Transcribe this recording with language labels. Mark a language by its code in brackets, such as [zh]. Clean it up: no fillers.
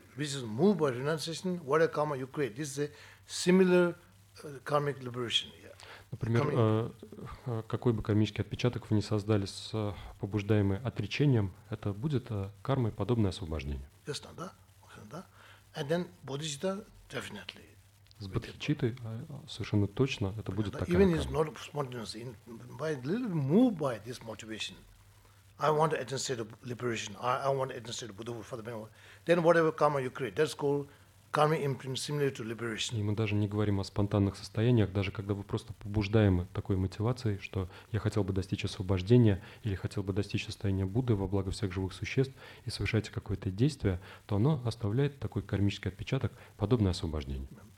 [en] Which is moved by renunciation, what a karma you create. This is a similar karmic liberation. Yeah. [ru] Например, какой бы кармический отпечаток вы не создали с побуждаемым отречением, это будет кармой подобное освобождение. [en] Yes, no, да? Okay, да? And then bodhicitta, definitely. [ru] С бодхичиттой совершенно точно это будет такая [en] even [ru] карма. [en] Even if it's not spontaneous, by little moved by this motivation, I want to attain state of liberation. I want to attain state of Buddhahood for the benefit. Then whatever karma you create, that's called karma imprint similar to liberation. [ru] И мы даже не говорим о спонтанных состояниях, даже когда вы просто побуждаемы такой мотивацией, что я хотел бы достичь освобождения или хотел бы достичь состояния Будды во благо всех живых существ и совершаете какое-то действие, то оно оставляет такой кармический отпечаток, подобное освобождение.